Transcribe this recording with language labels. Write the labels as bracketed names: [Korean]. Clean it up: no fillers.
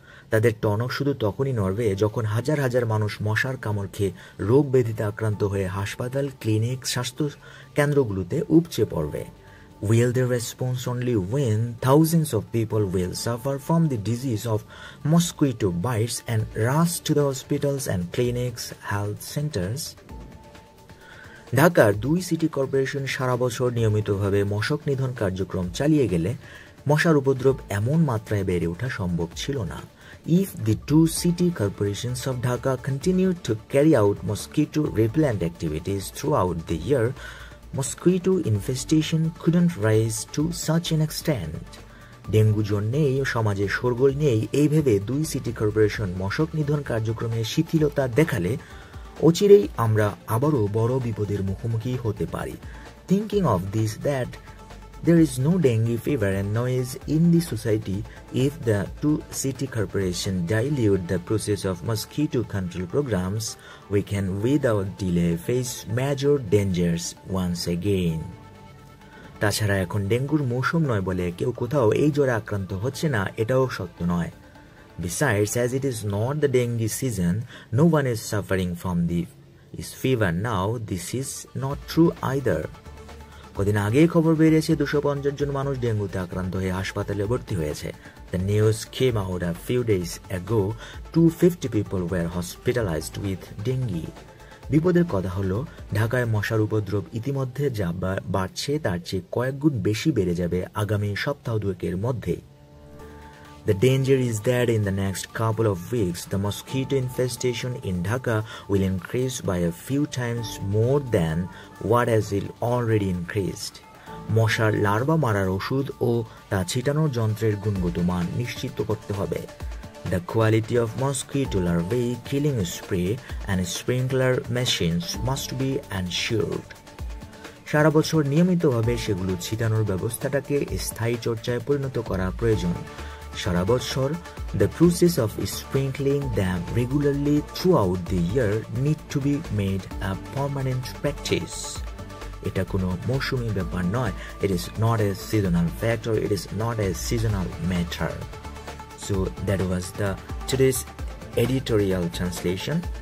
[Bangla] তাদের টনক শুধু তখনই নড়বে যখন হাজার হাজার মানুষ মশার কামড় খেয়ে রোগ ব্যাধিতে আক্রান্ত হয়ে হাসপাতাল, ক্লিনিক, স্বাস্থ্য কেন্দ্রগুলোতে উপচে পড়বে। [English] Will they respond only when thousands of people will suffer from the disease of mosquito bites and rush to the hospitals and clinics, health centers? [Bangla] ঢাকার দুই সিটি কর্পোরেশন সারা বছর নিয়মিতভাবে মশক নিধন কার্যক্রম চালিয়ে গেলে মশার উপদ্রব এমন মাত্রায় বেড়ে ওঠা সম্ভব ছিল না। [English] If the two city corporations of Dhaka continued to carry out mosquito repellent activities throughout the year, mosquito infestation couldn't rise to such an extent. [Bangla] Dengue জ্বর নেই, সমাজে সরগোল নেই, এই ভেবে দুই সিটি কর্পোরেশন মশক নিধন কার্যক্রমে শিথিলতা দেখালে অচিরেই আমরা আবারও বড় বিপদের মুখোমুখি হতে পারি। [English] Thinking of this that there is no dengue fever and noise in the society if the two city corporation dilute the process of mosquito control programs, we can without delay face major dangers once again. [Bangla] তাছাড়া এখন ডেঙ্গুর মৌসুম নয় বলে কেউ কোথাও এই জ্বরে আক্রান্ত হচ্ছে না, এটাও সত্য নয়। [English] Besides, as it is not the dengue season, no one is suffering from this fever now, this is not true either. [Bangla] কদিন আগেই খবর বেরিয়েছে 250 জন মানুষ ডেঙ্গুতে আক্রান্ত হয়ে হাসপাতালে ভর্তি হয়েছে। [English] The news came out a few days ago, 250 people were hospitalized with dengue. [Bangla] বিপদের কথা হলো ঢাকায় মশার উপদ্রব ইতিমধ্যে যা বাড়ছে তার চেয়ে কয়েক গুণ বেশি বেড়ে যাবে আগামী সপ্তাহ দুয়েকের মধ্যে। [English] The danger is that in the next couple of weeks, the mosquito infestation in Dhaka will increase by a few times more than what has already increased. [Bangla] মশার লার্ভা মারার ওষুধ ও তা ছিটানোর যন্ত্রের গুণগত মান নিশ্চিত করতে হবে। [English] The quality of mosquito larvae killing spray and sprinkler machines must be ensured. [Bangla] সারা বছর নিয়মিতভাবে সেগুলো ছিটানোর ব্যবস্থাটাকে স্থায়ী চর্চায় পরিণত করা প্রয়োজন। সারা বছর [English] The process of sprinkling them regularly throughout the year need to be made a permanent practice. [Bangla] এটা কোনো মৌসুমি ব্যাপার নয়, [English] It is not a seasonal factor, it is not a seasonal matter. So that was the today's editorial translation.